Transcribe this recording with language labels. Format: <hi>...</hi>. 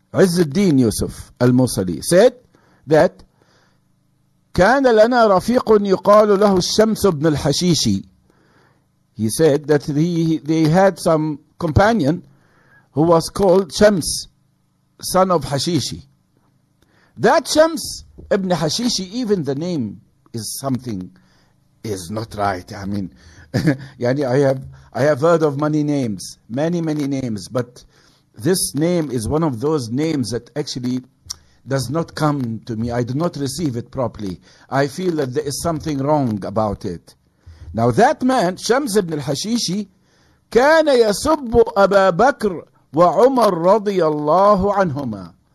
<ar>Izzuddin Yusuf al-Mosuli</ar> <en>said that</en> <ar>كان لنا رفيق يقال له الشمس بن الحشيشي.</ar> <en>He said that they had some companion who was called Shams, son of Hashishi. That Shams ibn Hashishi, even the name is something is not right. I mean, yani I have heard of many names, but this name is one of those names that actually does not come to me. I do not receive it properly. I feel that there is something wrong about it. Now that man,</en> <ar>Shams ibn al-Hashishi, كان يسب أبا بكر وعمر رضي الله عنهما.</ar>